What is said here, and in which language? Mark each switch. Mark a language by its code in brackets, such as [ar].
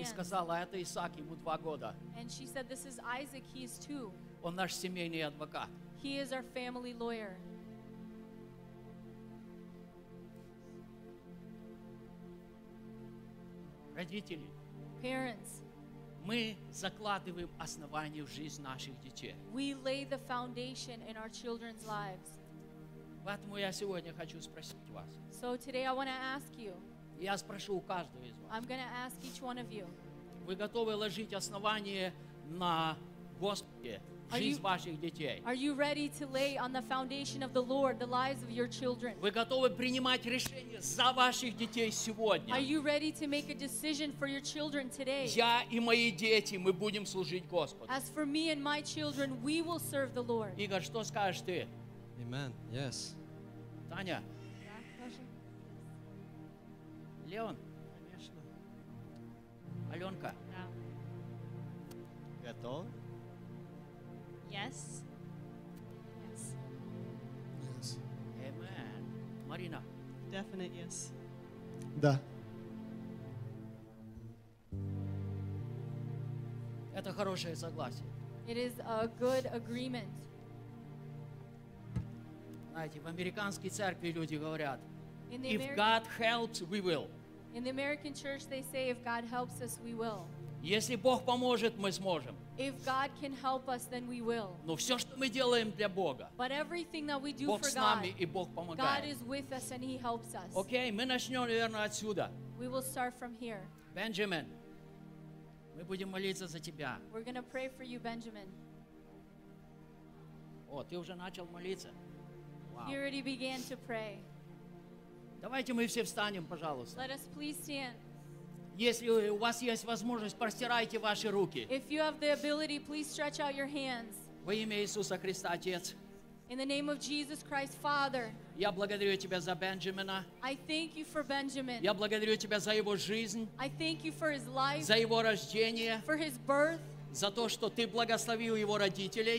[ru] И сказала, это Исаак, ему 2 года. [en] And she said, this is Isaac, he is 2. [ru] Он наш семейный адвокат. [en] He is our family lawyer. [ru] Родители. [en] Parents. [ru] Мы закладываем основание в жизнь наших детей. [en] We lay the foundation in our children's lives. [ru] Поэтому я сегодня хочу спросить вас. [en] So today I want to ask you. [ru] Я спрошу у каждого из вас. [en] I'm going to ask each one of you. [ru] Вы готовы ложить основание на Господе? [en] Are you ready to lay on the foundation of the Lord the lives of your children? [ru] Вы готовы принимать решение за ваших детей сегодня? [en] Are you ready to make a decision for your children today? [ru] Я и мои дети, мы будем служить Господу. [en] As for me and my children, we will serve the Lord. [ru] Игорь, что скажешь ты? [en] Amen. Yes. [ru] Таня. Да, хорошо. Леон. Конечно. Аленка. Да. Готов? [en] Yes. Yes. Yes. Amen. Marina. Definite yes. [ru] Да. Это хорошее согласие. [en] It is a good agreement. [ru] Знаете, в американской церкви люди говорят, [en] if God helps, we will. In the American church, they say, if God helps us, we will. [ru] Если Бог поможет, мы сможем. [en] If God can help us, then we will. [ru] Но все, что мы делаем для Бога, [en] but everything that we do [ru] Бог [en] for [ru] с нами, [en] God, [ru] и Бог помогает. [en] God is with us and He helps us. [ru] Окей, мы начнем, наверное, отсюда. [en] We will start from here. [ru] Бенджамин, мы будем молиться за тебя. [en] We're going to pray for you, Benjamin. [ru] О, ты уже начал молиться. [en] Wow. You already began to pray. [ru] Давайте мы все встанем, пожалуйста. [en] Let us please stand. [ru] Если у вас есть возможность, простирайте ваши руки. [en] If you have the ability, please stretch out your hands. [ru] Во имя Иисуса Христа, Отец. [en] In the name of Jesus Christ, Father. [ru] Я благодарю тебя за Бенджамина. [en] I thank you for Benjamin. [ru] Я благодарю тебя за его жизнь. [en] I thank you for his life. [ru] За его рождение. [en] For his birth. [ru] За то, что ты благословил его родителей.